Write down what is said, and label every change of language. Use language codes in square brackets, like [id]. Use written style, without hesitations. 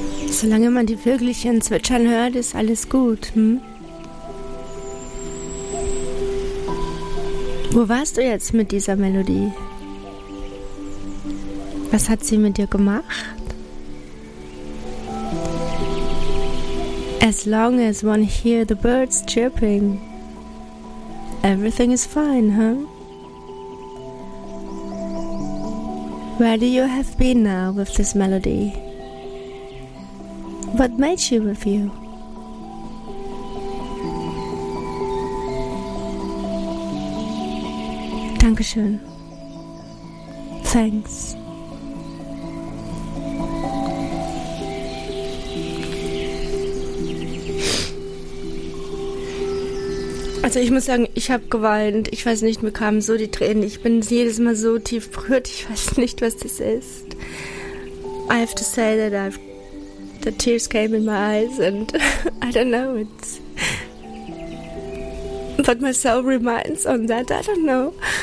[de] Solange man die Vögelchen zwitschern hört, ist alles gut. Wo warst du jetzt mit dieser Melodie? Was hat sie mit dir gemacht? [en] As long as one hear the birds chirping, everything is fine, huh? Where do you have been now with this melody? What made she with you? [de] Dankeschön. [en] Thanks. [de] Also ich muss sagen, ich habe geweint. Ich weiß nicht, mir kamen so die Tränen. Ich bin jedes Mal so tief berührt. Ich weiß nicht, was das ist. [en] I have to say that I've the tears came in my eyes and I don't know, it's but my soul reminds on that, I don't know.